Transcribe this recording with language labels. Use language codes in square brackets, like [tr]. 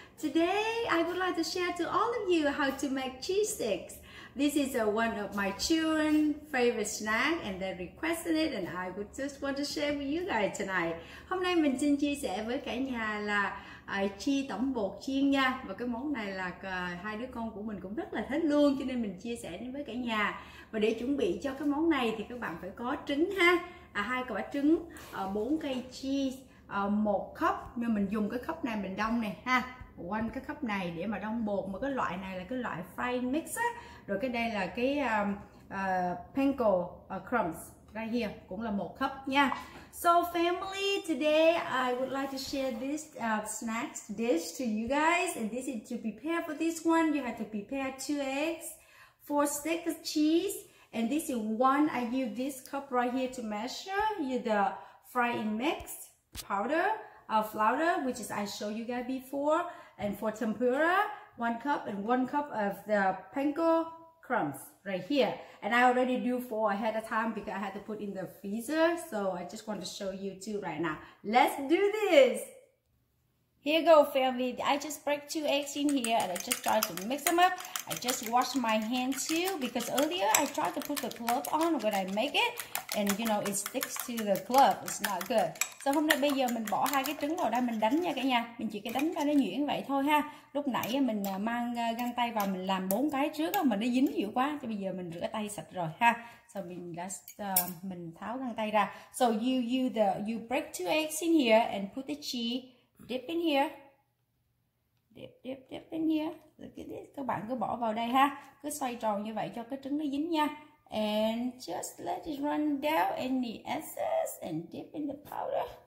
[en] Today, I would like to share to all of you how to make cheese sticks. This is one of my children's favorite snack and they requested it and I would just want to share with you guys tonight. [vi] Hôm nay mình xin chia sẻ với cả nhà là chi tổng bột chiên nha. Và cái món này là hai đứa con của mình cũng rất là thích luôn cho nên mình chia sẻ đến với cả nhà. Và để chuẩn bị cho cái món này thì các bạn phải có trứng ha. Hai quả trứng, 4 cây cheese, 1 cup. Nhưng mình dùng cái cup này mình đông này ha. One cái cup này để mà đông bột. Mà cái loại này là cái loại fine mix á. Rồi cái đây là cái panko crumbs. [en] Right here, [vi] cũng là 1 cup nha. [en] So family, today I would like to share this snacks dish to you guys. And this is to prepare for this one. You have to prepare 2 eggs, 4 sticks of cheese. And this is one, I use this cup right here to measure. You the frying mix, powder, flour, which is I showed you guys before. And for tempura, 1 cup and 1 cup of the panko crumbs right here. And I already do 4 ahead of time because I had to put in the freezer. So I just want to show you too right now. Let's do this. Here you go, family. I just break 2 eggs in here and I just try to mix them up. I just wash my hand too because earlier I tried to put the glove on when I make it and you know it sticks to the glove. It's not good. [vi] So hôm nay bây giờ mình bỏ hai cái trứng vào đây mình đánh nha cả nhà. Mình chỉ cái đánh cho nó nhuyễn vậy thôi ha. Lúc nãy mình mang găng tay vào mình làm 4 cái trước mà nó dính dữ quá. Cho bây giờ mình rửa tay sạch rồi ha. So mình tháo găng tay ra. [en] So you break 2 eggs in here and put the cheese. Dip in here. Dip in here. Look at this. [vi] Các bạn cứ bỏ vào đây ha. Cứ xoay tròn như vậy cho cái trứng nó dính nha. [en] And just let it run down in the excess and dip in the powder.